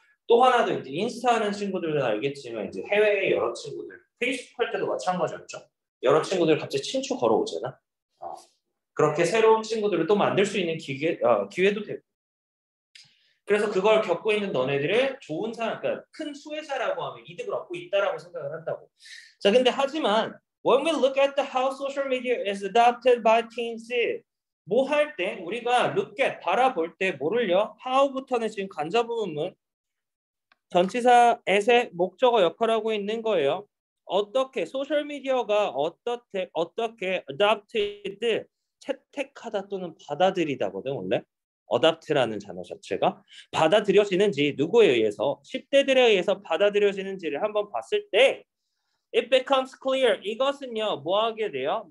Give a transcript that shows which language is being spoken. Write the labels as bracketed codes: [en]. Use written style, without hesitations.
[ko] 또 하나도 이제 인스타 하는 친구들은 알겠지만 이제 해외의 여러 친구들 페이스북 할 때도 마찬가지였죠. 여러 친구들 갑자기 친추 걸어오잖아. 그렇게 새로운 친구들을 또 만들 수 있는 기회도 되고. 그래서 그걸 겪고 있는 너네들을 좋은 사람, 그러니까 큰 수혜자라고 하면 이득을 얻고 있다라고 생각을 한다고. 자, 근데 하지만 [en] when we look at the how social media is adopted by teens. [ko] 뭐 할 때 우리가 look at 바라볼 때 뭐를요? How부터는 지금 간접 부분은 전치사 에세 목적어 역할하고 있는 거예요. 어떻게 소셜 미디어가 어떻게 adopted 채택하다 또는 받아들이다거든 원래 adopt라는 단어 자체가 받아들여지는지 누구에 의해서 10대들에 의해서 받아들여지는지를 한번 봤을 때 [en] it becomes clear [ko] 이것은요 뭐하게 돼요?